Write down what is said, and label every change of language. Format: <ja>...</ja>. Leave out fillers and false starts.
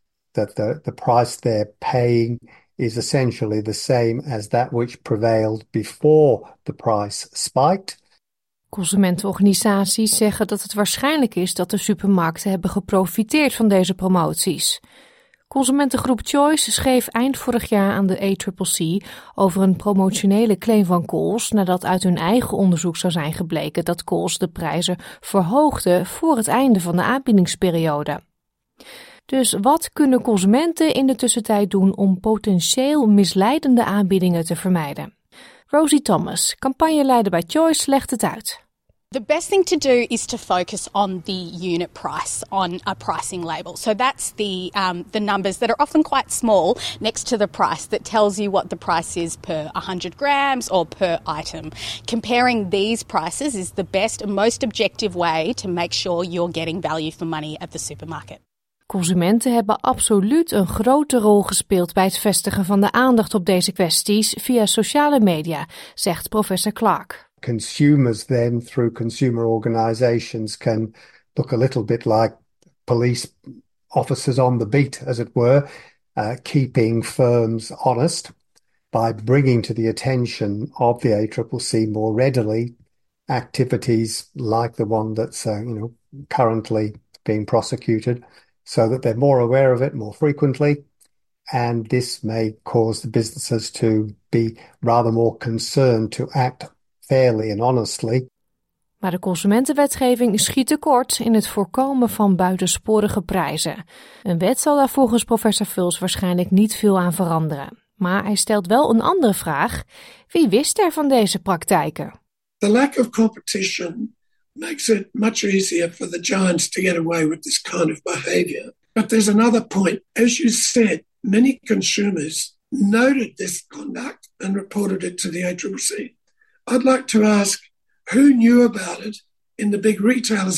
<en>That the price they're paying is essentially the same as that which prevailed before the price spiked.</en> <nl>Consumentenorganisaties zeggen dat het waarschijnlijk is dat de supermarkten hebben geprofiteerd van deze promoties. Consumentengroep Choice schreef eind vorig jaar aan de ACCC over een promotionele claim van Coles nadat uit hun eigen onderzoek zou zijn gebleken dat Coles de prijzen verhoogde voor het einde van de aanbiedingsperiode. Dus wat kunnen consumenten in de tussentijd doen om potentieel misleidende aanbiedingen te vermijden? Rosie Thomas, campagneleider bij Choice, legt het uit.</nl> <en>The best thing to do is to focus on the unit price on a pricing label. So that's the numbers that are often quite small next to the price that tells you what the price is per 100 grams or per item. Comparing these prices is the best and most objective way to make sure you're getting value for money at the supermarket.</en> <nl>Consumenten hebben absoluut een grote rol gespeeld bij het vestigen van de aandacht op deze kwesties via sociale media, zegt professor Clark.</nl> <en>Consumers then, through consumer organisations, can look a little bit like police officers on the beat, as it were, keeping firms honest by bringing to the attention of the ACCC more readily activities like the one that's currently being prosecuted, so that they're more aware of it more frequently. And this may cause the businesses to be rather more concerned to act fairly and honestly.</en> <nl>Maar de consumentenwetgeving schiet tekort in het voorkomen van buitensporige prijzen. Een wet zal daar volgens professor Vuls waarschijnlijk niet veel aan veranderen. Maar hij stelt wel een andere vraag. Wie wist er van deze praktijken?</nl> <en>The lack of competition makes it much easier for the giants to get away with this kind of behavior. But there's another point. As you said, many consumers noted this conduct and reported it to the ACCC. I'd like to ask, who knew about it in the big retailers?</en>